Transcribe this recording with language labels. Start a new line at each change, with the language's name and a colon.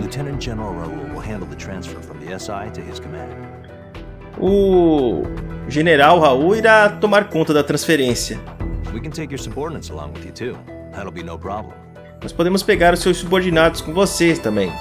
English: Lieutenant-General Raul will handle the transfer from the SI to his command.
Portuguese: O General Raul irá tomar conta da transferência.
English: We can take your subordinates along with you too. That'll be no problem.
Portuguese: Nós podemos pegar os seus subordinados com vocês também.